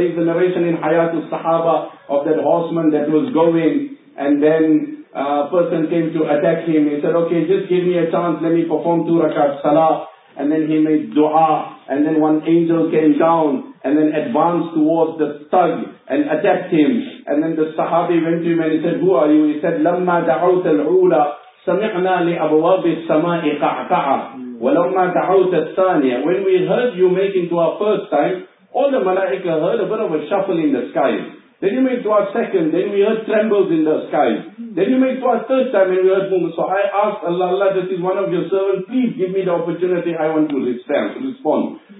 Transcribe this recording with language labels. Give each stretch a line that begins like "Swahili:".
English: There's a narration in Hayatul Sahaba of that horseman that was going, and then a person came to attack him. He said, okay, just give me a chance, let me perform two rakat salah. And then he made dua, and then one angel came down, and then advanced towards the thug, and attacked him. And then the sahabi went to him and he said, who are you?
Arabic: He said, لَمَّا دَعَوْتَ الْعُولَى سَمِعْنَا لِأَبْوَابِ السَّمَاءِ قَعْقَعَ وَلَمَّا دَعَوْتَ الثَّانِيَ.
English: When we heard you making dua first time, all the malaika heard a bit of a shuffle in the sky. Then you made dua second, then we heard trembles in the sky. Then you made dua third time and we heard boom. So I asked Allah, Allah, this is one of your servants, please give me the opportunity, I want to respond.